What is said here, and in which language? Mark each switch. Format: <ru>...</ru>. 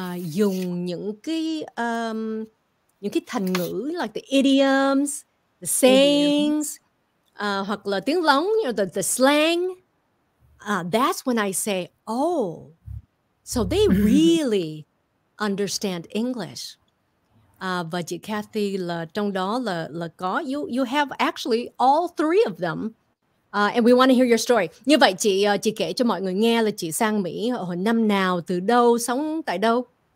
<vi>dùng những cái thành ngữ</vi> <en>like the idioms, the sayings,</en> <vi>hoặc là tiếng lóng,</vi> <en>you know, the slang, that's when I say, oh, so they really understand English.</en> <vi>Và chị Kathy là trong đó là có,</vi> <en>you have actually all three of them, and we want to hear your story.</en> <vi>Như vậy chị kể cho mọi người nghe là chị sang Mỹ hồi năm nào, từ đâu, sống tại đâu?</vi>